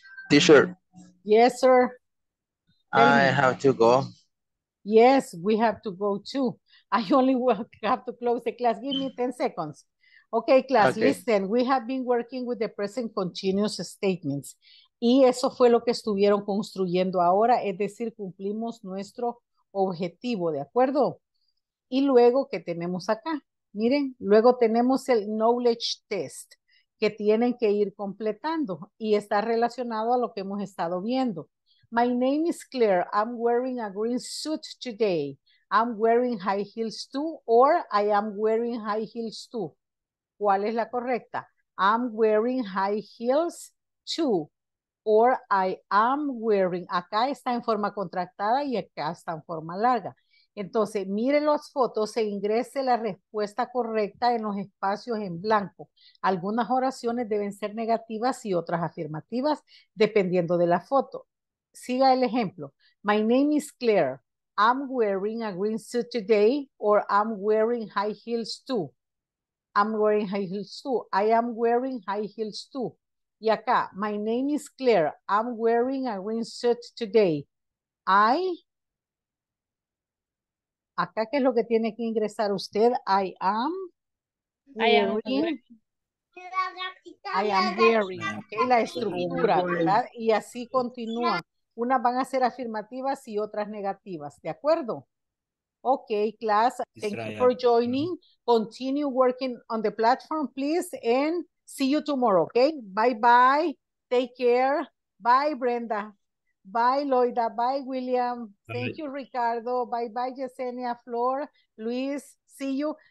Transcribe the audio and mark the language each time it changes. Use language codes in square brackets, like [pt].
[en] T-shirt. Yes, sir. I have to go. Yes, we have to go too. I only have to close the class. Give me 10 seconds. Okay, class, okay. Listen. We have been working with the present continuous statements. [es] Y eso fue lo que estuvieron construyendo ahora. Es decir, cumplimos nuestro objetivo, ¿de acuerdo? Y luego, ¿qué tenemos acá? Miren, luego tenemos el knowledge test, que tienen que ir completando y está relacionado a lo que hemos estado viendo. [en] My name is Claire. I'm wearing a green suit today. I'm wearing high heels too, or I am wearing high heels too. [es] ¿Cuál es la correcta? [en] I'm wearing high heels too, or I am wearing. [es] Acá está en forma contractada y acá está en forma larga. Entonces, mire las fotos e ingrese la respuesta correcta en los espacios en blanco. Algunas oraciones deben ser negativas y otras afirmativas, dependiendo de la foto. Siga el ejemplo. [en] My name is Claire. I'm wearing a green suit today, or I'm wearing high heels too. I'm wearing high heels too. I am wearing high heels too. [es] Y acá, [en] my name is Claire. I'm wearing a green suit today. [es] Acá, ¿qué es lo que tiene que ingresar usted? [en] I am wearing, [es] ¿ok? La estructura, ¿verdad? Y así continúa. Unas van a ser afirmativas y otras negativas, ¿de acuerdo? [en] Ok, class, thank you for joining. Continue working on the platform, please, and see you tomorrow, ok? Bye-bye, take care, bye, Brenda, bye, Loida, bye, William, thank you, Ricardo, bye-bye, Yesenia, Flor, Luis, see you.